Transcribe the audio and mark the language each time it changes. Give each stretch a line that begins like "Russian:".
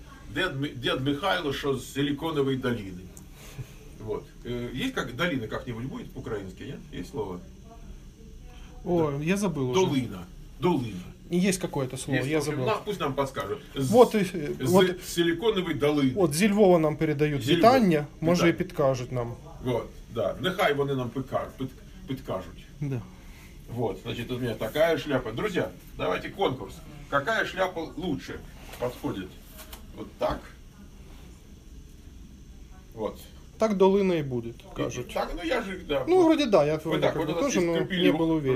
Russian: Дед Михайло, что с Силиконовой долины. Вот. Есть как долина как-нибудь будет по-украински, нет? Есть слово? О, да. Я забыл долина. Уже. Долина. Есть какое-то слово, есть, я забыл. Пусть нам подскажут. Вот силиконовой долы. Вот зі Львова нам передают.
Ukrainian: Вітання, може, питання. І підкажуть нам.
Russian: Вот, да.
Ukrainian: Нехай вони нам підкажуть.
Russian: Да. Вот, значит, у меня такая шляпа. Друзья, давайте конкурс. Какая шляпа лучше подходит? Вот так. Вот. Так долина и будет, кажут. Так, ну я же, да. Ну, вроде да, я вроде так, вот тоже, но не был уверен.